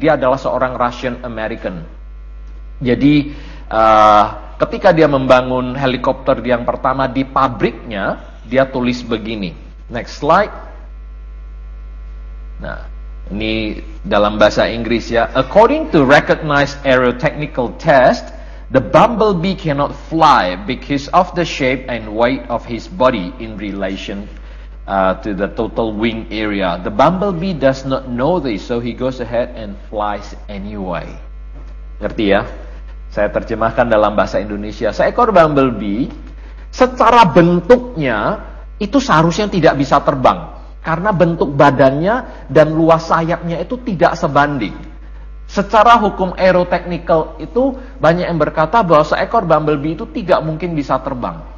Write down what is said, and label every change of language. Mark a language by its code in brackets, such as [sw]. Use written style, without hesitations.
[id] Dia adalah seorang Russian American. Jadi ketika dia membangun helikopter yang pertama di pabriknya, dia tulis begini. [en] Next slide. [id] Nah, ini dalam bahasa Inggris ya. [en] According to recognized aerotechnical test, the bumblebee cannot fly because of the shape and weight of his body in relation to the total wing area. The bumblebee does not know this, so he goes ahead and flies anyway. [id] Ngerti ya? Saya terjemahkan dalam bahasa Indonesia. Seekor bumblebee secara bentuknya itu seharusnya tidak bisa terbang. Karena bentuk badannya dan luas sayapnya itu tidak sebanding. Secara hukum aeroteknikal itu banyak yang berkata bahwa seekor bumblebee itu tidak mungkin bisa terbang.